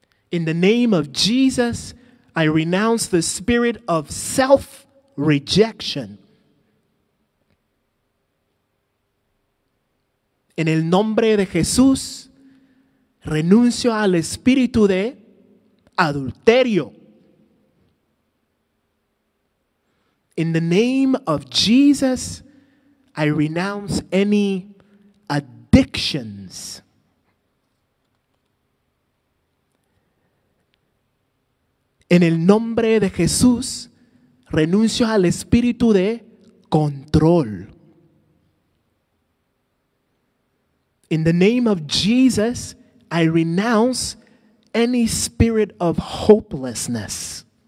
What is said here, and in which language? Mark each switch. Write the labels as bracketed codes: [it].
[en] In the name of Jesus, I renounce the spirit of self-rejection. [es] En el nombre de Jesús, renuncio al espíritu de adulterio. [en] In the name of Jesus, I renounce any addictions. [es] En el nombre de Jesús, renuncio al espíritu de control. [en] In the name of Jesus, I renounce any spirit of hopelessness.